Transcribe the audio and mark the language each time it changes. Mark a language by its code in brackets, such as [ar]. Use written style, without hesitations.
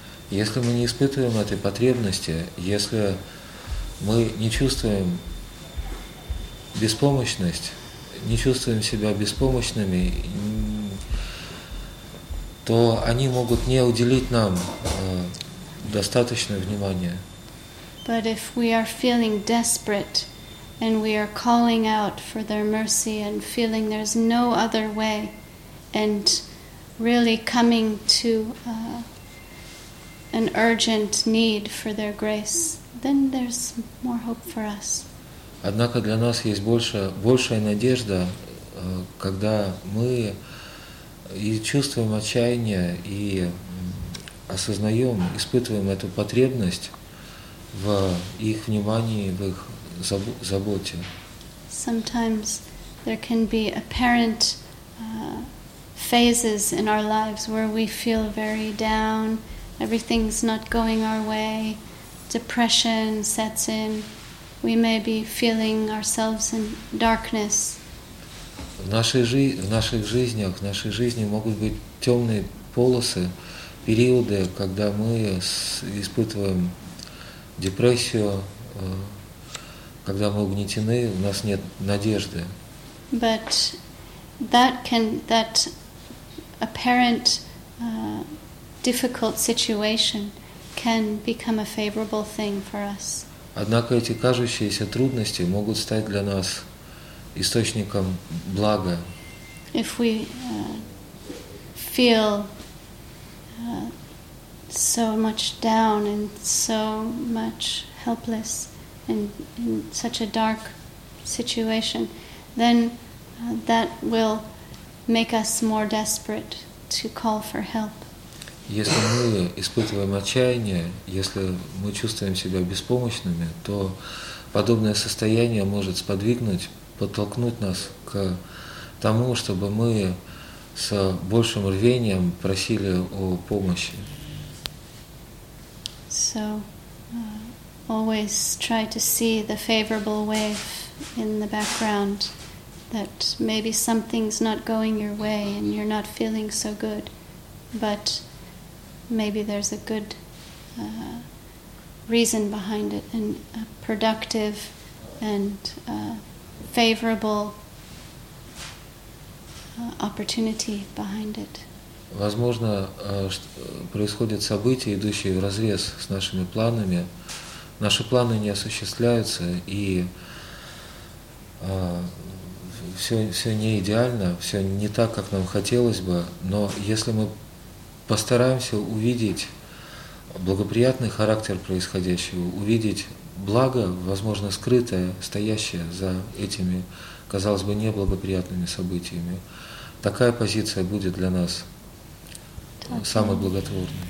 [ru] Если мы не испытываем этой потребности, если мы не чувствуем беспомощность, не чувствуем себя беспомощными, то они могут не уделить нам достаточно внимания. [en] But if we are feeling desperate and we are calling out for their mercy and feeling there's no other way and really coming to an urgent need for their grace, then there's more hope for us. [ru] Однако для нас есть большая надежда, когда мы и чувствуем отчаяние, и осознаем, испытываем эту потребность в их внимании, в их заботе. [en] Sometimes there can be apparent phases in our lives where we feel very down, everything's not going our way, depression sets in. We may be feeling ourselves in darkness. [ru] В нашей жизни могут быть темные полосы, периоды, когда мы испытываем депрессию, когда мы угнетены, у нас нет надежды. [en] But that apparent difficult situation can become a favorable thing for us. [ru] Однако эти кажущиеся трудности могут стать для нас источником блага. [en] If we feel so much down and so much helpless and in such a dark situation, then that will make us more desperate to call for help. [ru] Если мы испытываем отчаяние, если мы чувствуем себя беспомощными, то подобное состояние может сподвигнуть, подтолкнуть нас к тому, чтобы мы с большим рвением просили о помощи. [en] So, always try to see the favorable wave in the background, that maybe something's not going your way and you're not feeling so good, but maybe there's a good reason behind it, and a productive and favorable opportunity behind it. [ru] Возможно, происходят события, идущие вразрез с нашими планами. Наши планы не осуществляются, и все не идеально, все не так, как нам хотелось бы, но если мы постараемся увидеть благоприятный характер происходящего, увидеть благо, возможно, скрытое, стоящее за этими, казалось бы, неблагоприятными событиями, такая позиция будет для нас самой благотворной.